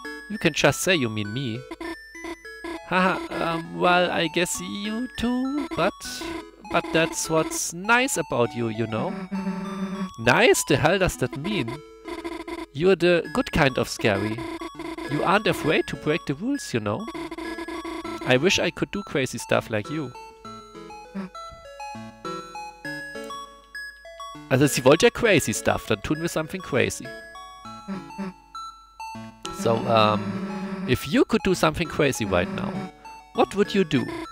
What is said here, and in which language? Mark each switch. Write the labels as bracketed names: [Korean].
[English] You can just say you mean me. Haha, well, I guess you too, but that's what's nice about you, you know? Nice? The hell does that mean? You're the good kind of scary. You aren't afraid to break the rules, you know? I wish I could do crazy stuff like you. [German] Also, sie wollte ja [English] crazy stuff, [German] dann tun wir [English] something crazy. So, if you could do something crazy right now, what would you do?